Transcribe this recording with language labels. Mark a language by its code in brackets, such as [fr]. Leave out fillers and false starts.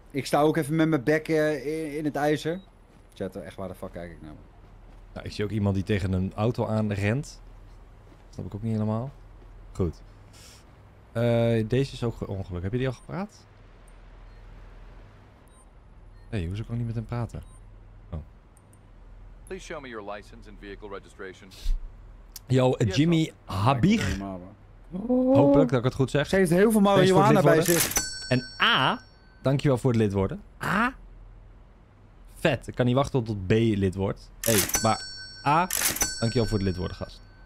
[nl] Ik sta ook even met mijn bek in het ijzer. Chat, echt waar de fuck kijk ik naar? Nou, ik zie ook iemand die tegen een auto aan rent. Snap ik ook niet helemaal. Goed. Deze is ook ongeluk. Heb je die al gepraat? Hé, hoezo kan ik niet met hem praten? Oh. [en] Please show me your license and vehicle registration. Yo, Jimmy Habig. [nl] Hopelijk dat ik het goed zeg. Ze heeft heel veel marihuana bij zich. En A, dankjewel voor het lid worden. A. Vet, ik kan niet wachten tot B lid wordt. Hé, maar A, dankjewel voor het lid worden, gast.